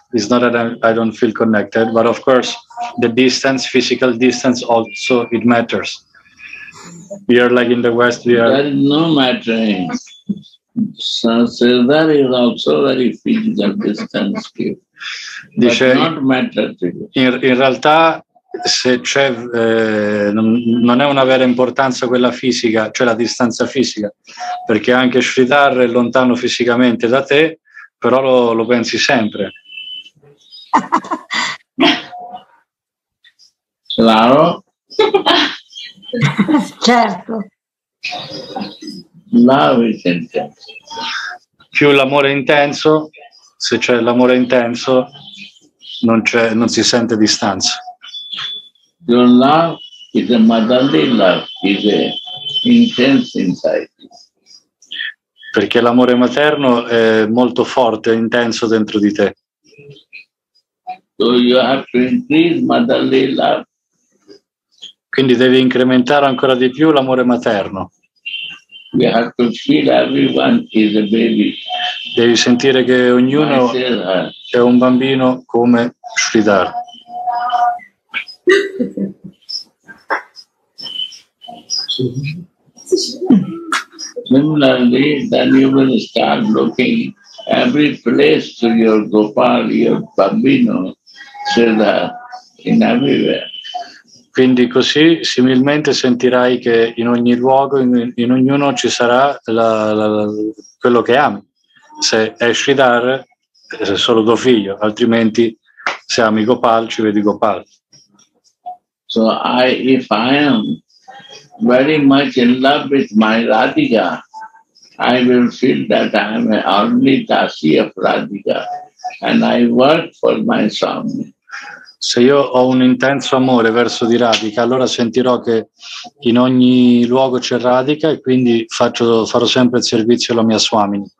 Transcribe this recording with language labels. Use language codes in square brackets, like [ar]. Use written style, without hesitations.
[en] It's not that I don't feel connected, but of course the distance, physical distance also, it matters. We are like in the West, we are... That is not mattering. So, so that is also very physical distance here. [it] Dice, [en] not matter to you. [it] In realtà se c'è non è una vera importanza quella fisica, cioè la distanza fisica, perché anche Sridhar è lontano fisicamente da te, però lo pensi sempre. [es] Claro. [it] Certo. L'amore intenso. Più l'amore intenso, se c'è l'amore intenso, non si sente distanza. [en] Your love is a motherly love, is a intense inside. [it] Perché l'amore materno è molto forte, intenso dentro di te. [en] So you have to increase motherly love. [it] Quindi devi incrementare ancora di più l'amore materno. [en] We have to feel everyone is a baby. [it] Devi sentire che ognuno è un bambino come Sridhar. [en] Similarly, then you will start looking every place to your Gopal, your bambino, Sridhar, in everywhere. [it] Quindi così similmente sentirai che in ogni luogo, in ognuno ci sarà quello che ami. Se è Sridhar, è solo tuo figlio, altrimenti se ami Gopal, ci vedi Gopal. [en] So if I am very much in love with my Radhika, I will feel that I am only Dasi of Radhika and I work for my Swami. [it] Se io ho un intenso amore verso di Radhika, allora sentirò che in ogni luogo c'è Radhika e quindi farò sempre il servizio alla mia Swami.